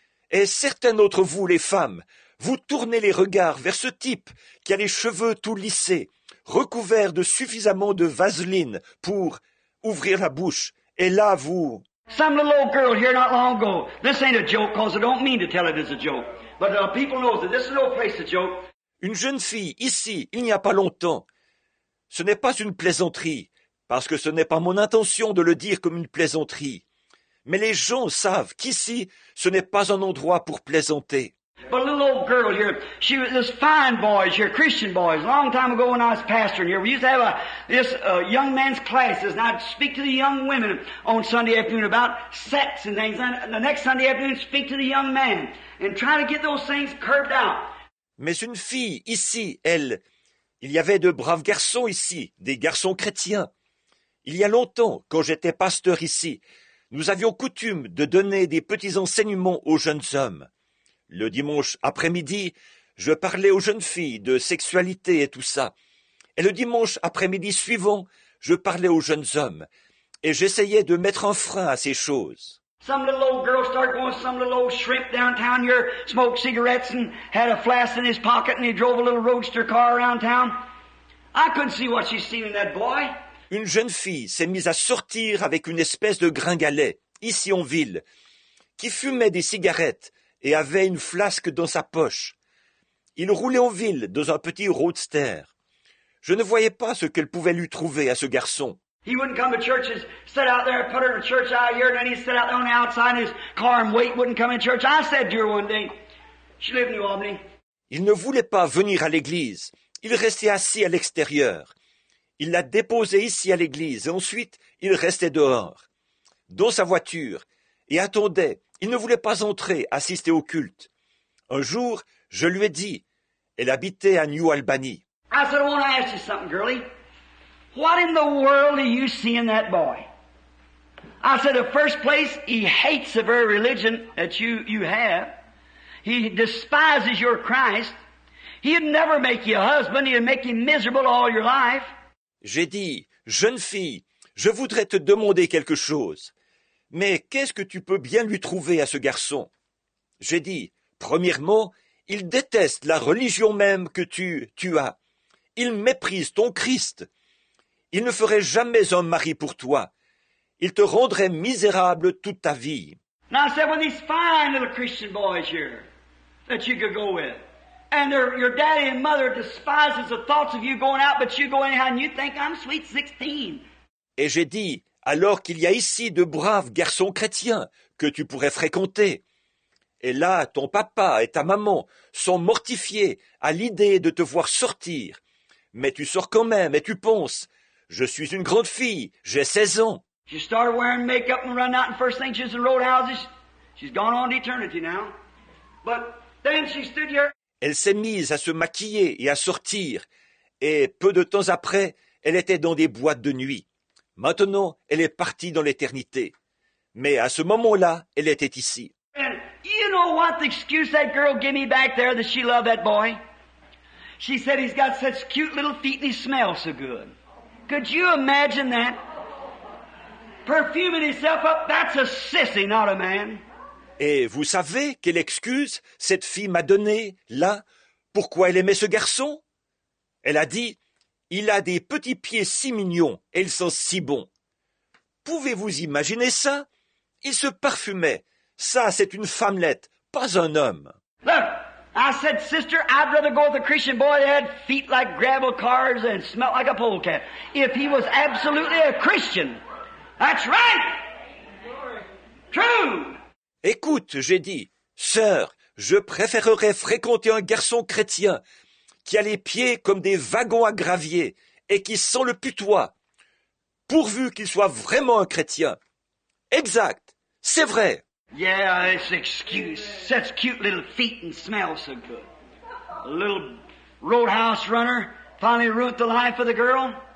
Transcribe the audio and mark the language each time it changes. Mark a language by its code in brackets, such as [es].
[fr] Et certains d'entre vous, les femmes, vous tournez les regards vers ce type qui a les cheveux tout lissés, recouverts de suffisamment de vaseline pour ouvrir la bouche. Et là, vous... [en] Some little old girl here not long ago. This ain't a joke, cause I don't mean to tell it as a joke. But people know that this is no place to joke. [fr] Une jeune fille, ici, il n'y a pas longtemps. Ce n'est pas une plaisanterie, parce que ce n'est pas mon intention de le dire comme une plaisanterie. Mais les gens savent qu'ici, ce n'est pas un endroit pour plaisanter. [en] But a little old girl here, she was this fine boys here, Christian boys, a long time ago when I was pastoring here, we used to have young man's classes, and I'd speak to the young women on Sunday afternoon about sex and things, and the next Sunday afternoon speak to the young man, and try to get those things curbed out. [fr] Mais une fille ici, elle, il y avait de braves garçons ici, des garçons chrétiens. Il y a longtemps, quand j'étais pasteur ici, nous avions coutume de donner des petits enseignements aux jeunes hommes. Le dimanche après-midi, je parlais aux jeunes filles de sexualité et tout ça. Et le dimanche après-midi suivant, je parlais aux jeunes hommes. Et j'essayais de mettre un frein à ces choses. [en] Some little old girl started going, some little old shrimp downtown here, smoked cigarettes and had a flask in his pocket and he drove a little roadster car around town. I couldn't see what she seen in that boy. [fr] Une jeune fille s'est mise à sortir avec une espèce de gringalet, ici en ville, qui fumait des cigarettes et avait une flasque dans sa poche. Il roulait en ville dans un petit roadster. Je ne voyais pas ce qu'elle pouvait lui trouver à ce garçon. [en] He wouldn't come to church, he'd sit out there, put her to church out here, and then he'd sit out there on the outside his car and wait, wouldn't come in church. I said to her one day, she lived in New Albany. [fr] Il ne voulait pas venir à l'église. Il restait assis à l'extérieur. Il l'a déposée ici à l'église et ensuite il restait dehors, dans sa voiture, et attendait. Il ne voulait pas entrer, assister au culte. Un jour, je lui ai dit, elle habitait à New Albany. [en] I said, I want to ask you something, girlie. What in the world do you see in that boy? I said, the first place, he hates the very religion that you have. He despises your Christ. He'd never make you a husband. He'd make you miserable all your life. [fr] J'ai dit, jeune fille, je voudrais te demander quelque chose. Mais qu'est-ce que tu peux bien lui trouver à ce garçon ? J'ai dit, premièrement, il déteste la religion même que tu as. Il méprise ton Christ. Il ne ferait jamais un mari pour toi. Il te rendrait misérable toute ta vie. [en] Now, I said, well, these fine little Christian boys here that you could go with, and your daddy and mother despises the thoughts of you going out, but you go anyhow, and you think I'm sweet 16. [fr] Et j'ai dit, alors qu'il y a ici de braves garçons chrétiens que tu pourrais fréquenter. Et là, ton papa et ta maman sont mortifiés à l'idée de te voir sortir. Mais tu sors quand même et tu penses, « Je suis une grande fille, j'ai 16 ans. » [en] She started wearing makeup and running out, and first thing she's in roadhouses. She's gone on to eternity now. But then she stood here. [fr] Elle s'est mise à se maquiller et à sortir. Et peu de temps après, elle était dans des boîtes de nuit. Maintenant, elle est partie dans l'éternité. Mais à ce moment-là, elle était ici. [en] And you know what the excuse that girl gave me back there that she loved that boy? She said he's got such cute little feet and he smells so good. Could you imagine that? Perfuming himself up, that's a sissy, not a man. [fr] Et vous savez quelle excuse cette fille m'a donnée, là, pourquoi elle aimait ce garçon? Elle a dit, il a des petits pieds si mignons, et il sent si bon. Pouvez-vous imaginer ça? Il se parfumait. Ça, c'est une femmelette, pas un homme. [en] Look, I said, sister, I'd rather go with a Christian boy that had feet like gravel cars and smelled like a polecat, if he was absolutely a Christian. That's right. True. [fr] Écoute, j'ai dit, sœur, je préférerais fréquenter un garçon chrétien qui a les pieds comme des wagons à gravier et qui sent le putois, pourvu qu'il soit vraiment un chrétien. Exact, c'est vrai. [en] Yeah, it's excuse. Such cute little feet and smell so good. A little roadhouse runner finally ruined the life of the girl.